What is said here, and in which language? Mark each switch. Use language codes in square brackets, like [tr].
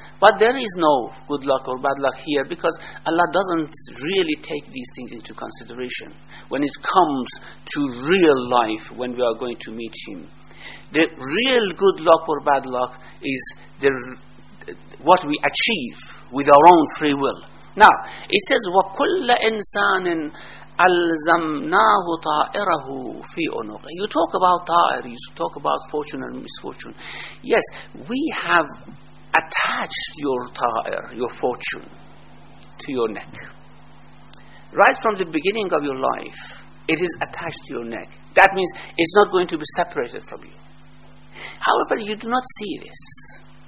[en] But there is no good luck or bad luck here, because Allah doesn't really take these things into consideration when it comes to real life, when we are going to meet Him. The real good luck or bad luck is what we achieve with our own free will. Now, it says, [ar] وَكُلَّ إِنسَانٍ أَلْزَمْنَاهُ طَائِرَهُ فِي أُنُقِهِ. [en] You talk about ta'ir, you talk about fortune and misfortune. Yes, we have attached your ta'ir, your fortune, to your neck. Right from the beginning of your life, it is attached to your neck. That means it's not going to be separated from you. However, you do not see this.